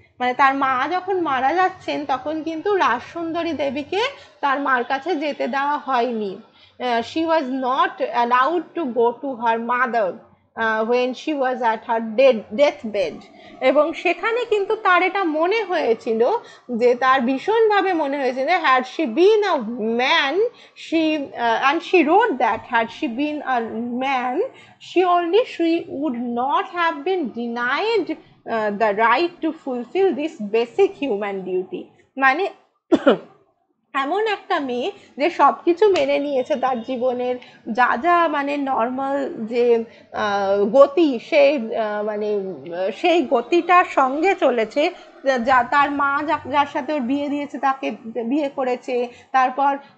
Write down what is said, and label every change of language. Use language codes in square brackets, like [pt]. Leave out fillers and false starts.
[bn] মানে তার মা যখন মারা যাচ্ছেন তখন কিন্তু রাজসুন্দরী দেবীকে তার মার কাছে যেতে দেওয়া হয়নি, [en] She was not allowed to go to her mother when she was at her deathbed. [bn] এবং সেখানে কিন্তু তার এটা মনে হয়েছিল [en] যে তার ভীষণভাবে মনে হয়েছিল, had she been a man, she and she wrote that had she been a man, she only she would not have been denied the right to fulfill this basic human duty. [bn] মানে এমন একটা মেয়ে যে সব কিছু মেনে নিয়েছে, তার জীবনের যা যা মানে নর্মাল যে গতি, সেই মানে সেই গতিটার সঙ্গে চলেছে, যা তার মা যার সাথে ওর বিয়ে দিয়েছে তাকে বিয়ে করেছে, তারপর